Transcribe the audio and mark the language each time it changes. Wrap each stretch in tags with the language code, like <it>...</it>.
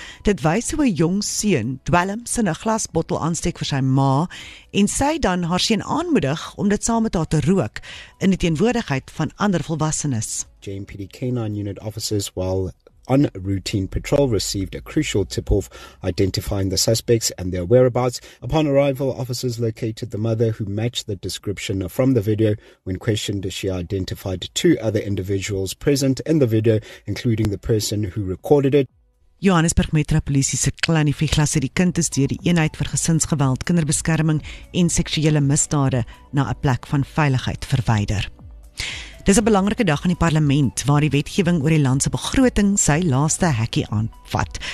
<af>Dit wys hoe 'n jong seun dwelms in 'n glasbottel aansteek vir sy ma en sy dan haar seun aanmoedig om dit saam met haar te rook in die teenwoordigheid van ander volwassenes.</af> <en>JMPD K9 unit officers while on routine patrol received a crucial tip-off identifying the suspects and their whereabouts. Upon arrival, officers located the mother who matched the description from the video. When questioned, she identified two other individuals present in the video, including the person who recorded it.</en> <af>Johannesburg Metro Polisie se Klannie Viglas het die kind is deur die eenheid vir gesinsgeweld, kinderbeskerming en seksuele misdade na 'n plek van veiligheid verwyder. Dis 'n belangrike dag in die parlement waar die wetgewing oor die land se begroting sy laaste hekkie aanvat.</af>